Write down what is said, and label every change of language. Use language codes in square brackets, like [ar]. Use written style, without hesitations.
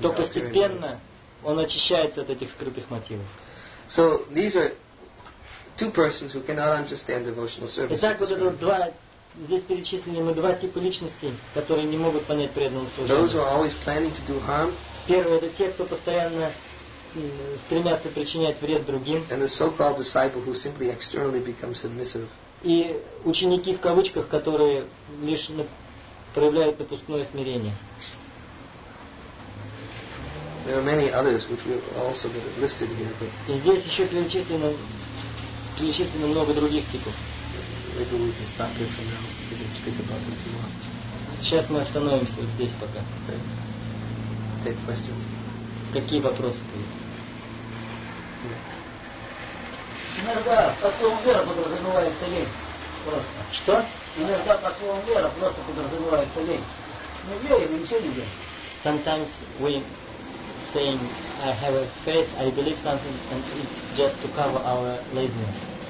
[ru] то постепенно он очищается от этих скрытых мотивов. [en] So these are two persons who cannot understand devotional service. [ru] Итак, вот это два, здесь перечислены мы два типа личностей, которые не могут понять преданного служения. [en] Those who are always planning to do harm. [ru] Первый — это те, кто постоянно стремятся причинять вред другим. [en] And the so-called disciple who simply externally becomes submissive. [ru] И ученики в кавычках, которые лишь проявляют напускное смирение. [en] There are many others which we also that are listed here, but. [ru] И здесь еще перечислено много других типов. [en] Maybe we can stop here for now. We can speak about them tomorrow. [ru] Сейчас мы остановимся вот здесь пока. [en] Take questions. [ru] Какие вопросы будут? Иногда особо вера подразумевается лень. Просто. Что? Иногда особо вера просто подразумевается лень. Мы верим, ничего не делаем. [en] Sometimes we saying, I have a faith, I believe something, and it's just to cover our laziness.